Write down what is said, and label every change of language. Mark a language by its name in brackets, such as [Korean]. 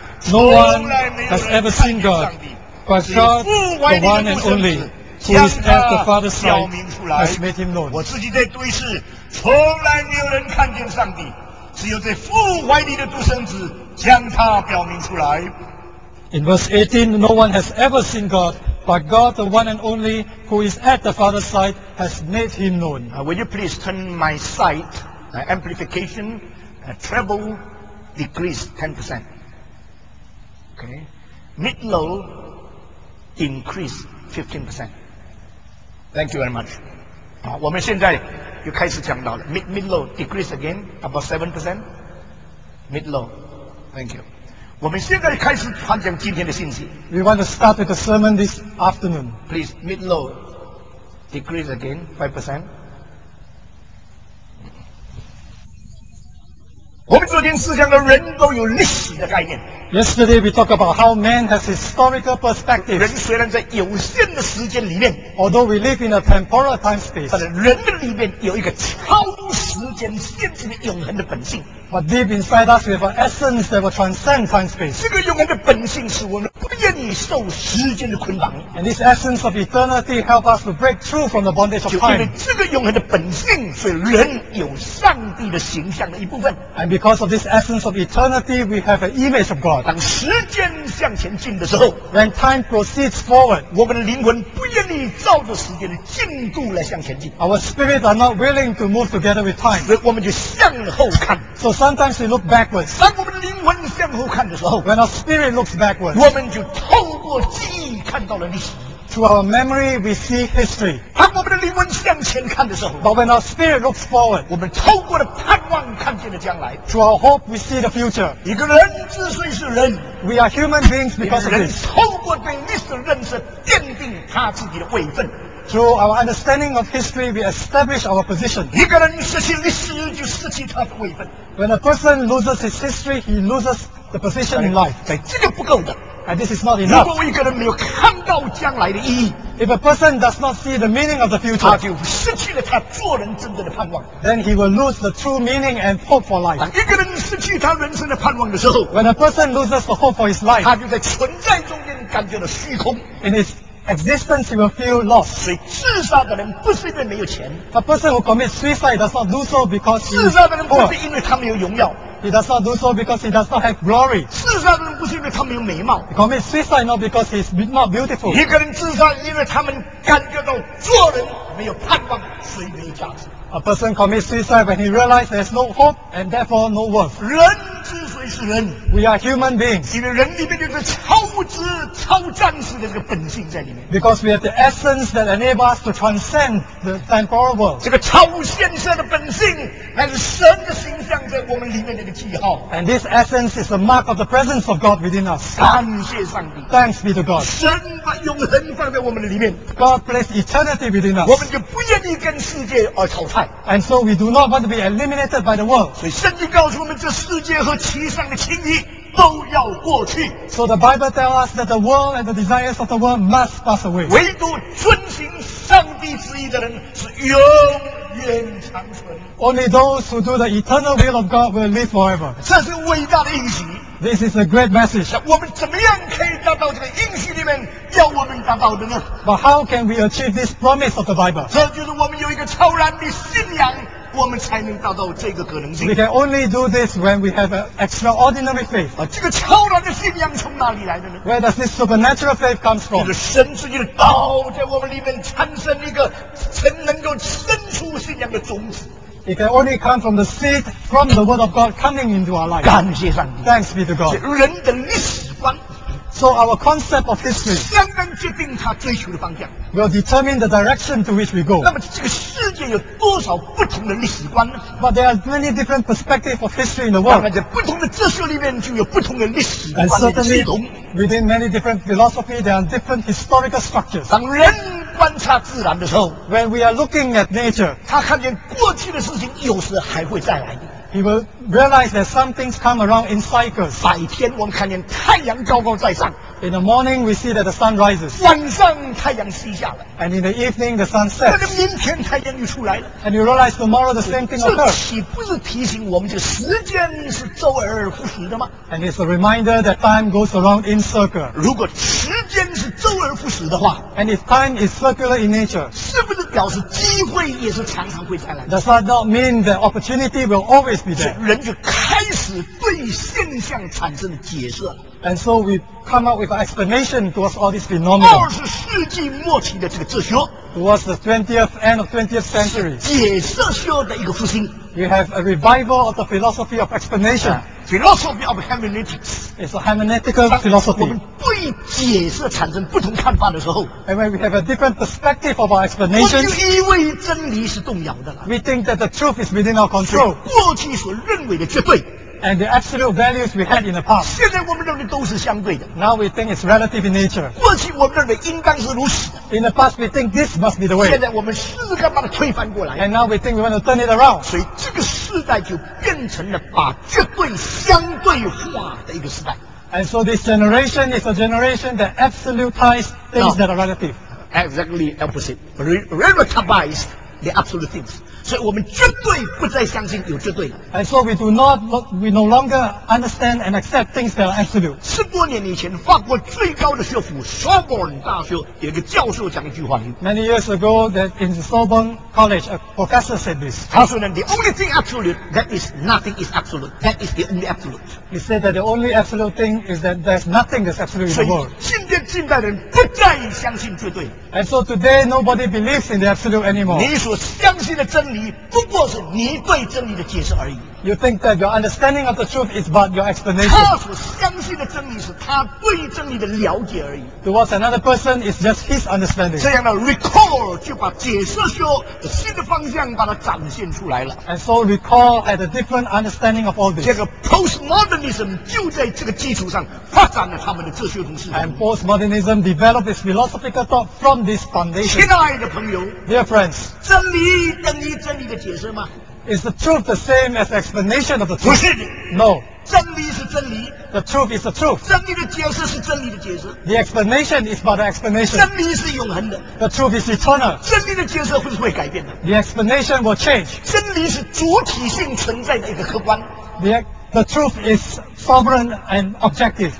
[English] No one has ever seen God, but God, the one and only, who is at the Father's side, has made Him known. [Chinese] 我自己在读一次，从来没有人看见上帝，只有在父怀里的独生子将他表明出来。 [English] In verse 18, no one has ever seen God, but God, the one and only, who is at the Father's side, has made him known. Will you please turn my sight, amplification, treble, decrease 10%. Okay. Mid-low, increase 15%. Thank you very much. [Chinese] 我们现在就开始讲到了。 [English] Mid-low, decrease again, about 7%. Mid-low. Thank you. [Chinese] 我们现在开始传讲今天的信息。 [English] We want to start with the sermon this afternoon. Please, mid-low, decrease again, 5%. [Chinese] 我们昨天思想的人都有历史的概念。 [English] Yesterday we talked about how man has historical perspective. [Chinese] 人虽然在有限的时间里面， [English] although we live in a temporal time space, [Chinese] 但人里面有一个超时间限制的永恒的本性。 [English] But deep inside us, we have an essence that will transcend time space. [Chinese] 这个永恒的本性使我们不愿意受时间的捆绑。 [English] And this essence of eternity helps us to break through from the bondage of time. [Chinese] 就因为这个永恒的本性，所以人有上帝的形象的一部分。 [English] And because of this essence of eternity, we have an image of God. [Chinese] 当时间向前进的时候， [English] when time proceeds forward, [Chinese] 我们的灵魂不愿意照着时间的进度来向前进。 [English] Our spirits are not willing to move together with time. [Chinese] 所以我们就向后看。 [English] So sometimes we look backwards. [Chinese] 当我们的灵魂向后看的时候， [English] when our spirit looks backwards, [Chinese] 我们就透过记忆看到了历史。 [English] Through our memory, we see history. [Chinese] 当我们的灵魂向前看的时候， [English] but when our spirit looks forward, [Chinese] 我们透过了盼望看见了将来。 [English] Through our hope, we see the future. [Chinese] 一个人之所以是人， [English] we are human beings because of this. [Chinese] 透过对历史的认识，奠定他自己的位分。 [English] Through our understanding of history, we establish our position. [Chinese] 一个人失去历史，就失去他的位分。 [English] When a person loses his history, he loses the position in life. [Chinese] 在这个不够的。 [English] And this is not enough. [Chinese] 如果一个人没有看到将来的意义。 [English] If a person does not see the meaning of the future, [Chinese] 他就失去了他做人真正的盼望。 [English] Then he will lose the true meaning and hope for life. [Chinese] 一个人失去他人生的盼望的时候 [English] ，When a person loses the hope for his life, [Chinese] 他就在存在中间感觉到虚空。 [English] In his existence, he will feel lost. [Chinese] 所以自杀的人不是因为没有钱。 [English] A person who commits suicide does not do so because he [Chinese] 自杀的人不是因为他没有荣耀。 [English] He does not do so because he does not have glory. [Chinese] 自杀的人不是因为他没有美貌。 [English] He commits suicide not because he is not beautiful. [Chinese] 一个人自杀，因为他们感觉到做人没有盼望，所以没有价值。 [English] A person commits suicide when he realizes there's no hope and therefore no worth. [Chinese] 人之所以是人 [English] ，We are human beings. [Chinese] 因为人里面有个超智、超战士的这个本性在里面。 [English] Because we have the essence that enables us to transcend the temporal world. [Chinese] 这个超现实的本性，还是神的形象在我们里面的一个记号。 [English] And this essence is the mark of the presence of God within us. [Chinese] 感谢上帝。 [English] Thanks be to God. [Chinese] 神把永恒放在我们的里面。 [English] God placed eternity within us. [Chinese] 我们就不愿意跟世界而吵。 [English] And so we do not want to be eliminated by the world. [Chinese] 所以圣经告诉我们，这世界和其上的情欲都要过去。 [English] So the Bible tells us that the world and the desires of the world must pass away. [Chinese] 唯独遵行上帝旨意的人是永远长存。 [English] Only those who do the eternal will of God will live forever. [Chinese] 这是伟大的应许。 [English] This is a great message. [Chinese] 我们怎么样可以达到这个应许里面要我们达到的呢？ [English] But how can we achieve this promise of the Bible? [Chinese] 这就是我们有一个超然的信仰，我们才能达到这个可能性。 [English] We can only do this when we have an extraordinary faith. [Chinese] 这个超然的信仰从哪里来的呢？ [English] Where does this supernatural faith come from? [Chinese] 就是神自己的道在我们里面产生一个才能够生出信仰的种子。 [English] It can only come from the seed from the word of God coming into our life. [Chinese] 感谢上帝。 [English] Thanks be to God. [Chinese] 人的历史观。 [English] So our concept of history [Chinese] 相当决定他追求的方向。 [English] Will determine the direction to which we go. [Chinese] 那么这个世界有多少不同的历史观呢？ [English] But there are many different perspectives of history in the world. [Chinese] 当然在不同的哲学里面就有不同的历史观的系统。 [English] And certainly within many different philosophy there are different historical structures. [Chinese] 当人观察自然的时候 [English] ，When we are looking at nature， [Chinese] 他看见过去的事情有时还会再来。 [English] He will realize that some things come around in cycles。 [Chinese] 白天我们看见太阳高高在上 [English] ，In the morning we see that the sun rises。 [Chinese] 晚上太阳西下了 [English] ，And in the evening the sun sets。 [Chinese] 那明天太阳又出来了 [English] ，And you realize tomorrow the same thing occurs。 [Chinese] 这岂不是提醒我们，这时间是周而复始的吗 [English] ？And it's a reminder that time goes around in circles。 [Chinese] 如果时间是周而复始的话 [English] ，And if time is circular in nature， [Chinese] 是不是表示机会也是常常会再来 [English] ？Does that not mean that opportunity will always be there？ [Chinese] 人就开始对现象产生了解释。 [English] And so we come up with an explanation towards all these phenomena。 [Chinese] 二十世纪末期的这个哲学 [English] ，towards the 20th end of 20th century， [Chinese] 解释学的一个复兴。 [English] We have a revival of the philosophy of explanation。 Philosophy of hermeneutics. It's a hermeneutical philosophy. [Chinese] 当我们对解释产生不同看法的时候 [English] ，And when we have a different perspective of our explanation, [Chinese] 我就以为真理是动摇的了。 [English] We think that the truth is within our control. [Chinese] 过去所认为的绝对 [English] ，And the absolute values we had in the past. [Chinese] 现在我们认为都是相对的。 [English] Now we think it's relative in nature. [Chinese] 过去我们认为应当是如此的。 [English] In the past, we think this must be the way. [Chinese] 现在我们试着把它推翻过来。 [English] And now we think we want to turn it around. [Chinese] 所以这个时代就变成了把绝对相对化的一个时代。 [English] And so this generation is a generation that absolutizes things that are relative. Exactly opposite. Relativize the absolute things. [Chinese] 所以我们绝对不再相信有绝对了。 [English] And so we no longer understand and accept things that are absolute. [Chinese] 十多年以前，法国最高的学府Sorbonne大学有一个教授讲一句话。 [English] Many years ago, that in Sorbonne College, a professor said this. [Chinese] 他说呢 [English] ，The only thing absolute, that is nothing is absolute. That is the only absolute. He said that the only absolute thing is that there's nothing that's absolute in the world. [Chinese] 今天近代人不再相信绝对。 [English] And so today, nobody believes in the absolute anymore. [Chinese] 你所相信的真理不过是你对真理的解释而已。 [English] You think that your understanding of the truth is but your explanation. [Chinese] 他所相信的真理是他对真理的了解而已。 [English] Towards another person is just his understanding. [Chinese] 这样的 recall 就把解释说的新的方向把它展现出来了。 [English] And so recall had a different understanding of all this. [Chinese] 这个 postmodernism 就在这个基础上发展了他们的哲学同时。 [English] And postmodernism developed its philosophical thought from this foundation. [Chinese] 亲爱的朋友 [English] ，Dear friends， [Chinese] 真理等于真理的解释吗？ [English] Is the truth the same as the explanation of the truth? [Chinese] 不是的 [English] No [Chinese] 真理是真理 [English] The truth is the truth. [Chinese] 真理的解释是真理的解释。 [English] The explanation is but the explanation. [Chinese] 真理是永恒的。 [English] The truth is eternal. [Chinese] 真理的解释会不会改变的。 [English] The explanation will change. [Chinese] 真理是主体性存在的一个客观。 [English] The truth is sovereign and objective.